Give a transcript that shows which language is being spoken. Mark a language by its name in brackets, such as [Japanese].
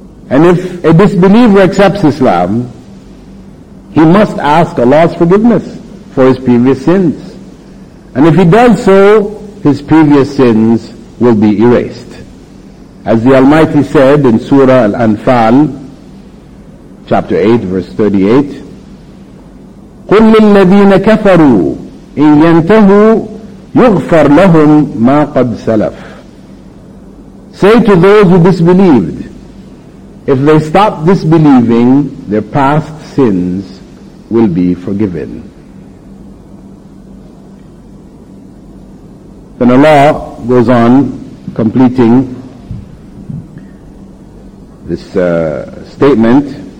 [English] And if a disbeliever accepts Islam, he must ask Allah's forgiveness for his previous sins. And if he does so, his previous sins will be erased. As the Almighty said in Surah Al-Anfal, chapter 8, verse 38, [Arabic] قُلْ لِلَّذِينَ كَفَرُوا إِنْ يَنْتَهُوا يُغْفَرْ لَهُمْ مَا قَدْ سَلَفْ. [English] Say to those who disbelieved, if they stop disbelieving, their past sins will be forgiven. Then Allah goes on completing this statement.